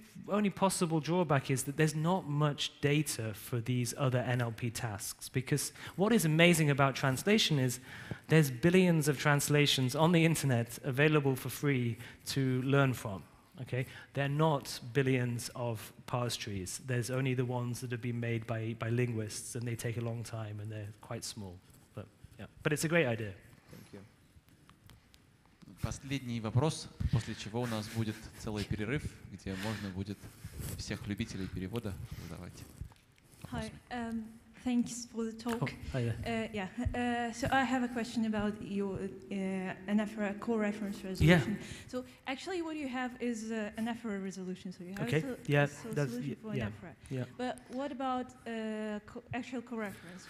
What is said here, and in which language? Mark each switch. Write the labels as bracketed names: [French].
[English] only possible drawback is that there's not much data for these other NLP tasks, because what is amazing about translation is there's billions of translations on the internet available for free to learn from. Okay, they're not billions of parse trees. There's only the ones that have been made by linguists, and they take a long time, and they're quite small. But yeah, but it's a great idea. Thank you. [Russian] Последний вопрос, после чего у нас будет целый перерыв, где можно будет всех любителей перевода задавать. [English] Hi, thanks for the talk. So I have a question about your anaphora core reference resolution. Yeah. So actually, what you have is anaphora resolution. So you have okay. But what about actual core reference?